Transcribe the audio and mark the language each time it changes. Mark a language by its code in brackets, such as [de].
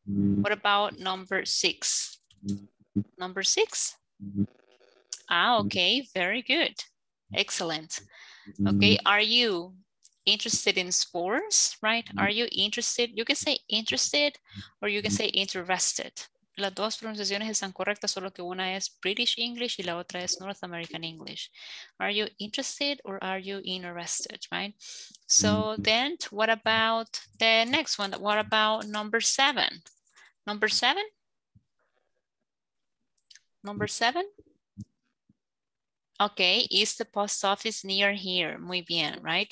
[en] What about number six? Number six? Ah, okay, very good. Excellent. Okay, are you interested in sports, right? Are you interested? You can say interested or you can say interested. [es] Las dos pronunciaciones están correctas, solo que una es British English y la otra es North American English. [en] Are you interested or are you interested, right? So then what about the next one? What about number seven? Number seven? Number seven? Okay, is the post office near here? [es] Muy bien, [en] right?